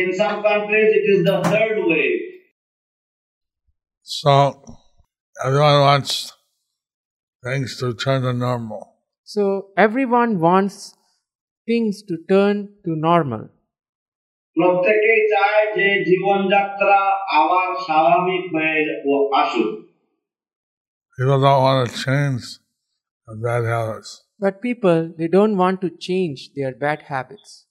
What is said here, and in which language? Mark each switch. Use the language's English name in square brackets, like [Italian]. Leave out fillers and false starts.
[English] In some countries, it is the third wave. So, everyone wants things to turn to normal. So, everyone wants things to turn to normal. [Bangla] প্রত্যেকে চায় যে জীবনযাত্রা আবার স্বাভাবিক হয়ে আসুক। [English] People don't want to change their bad habits. But people, they don't want to change their bad habits.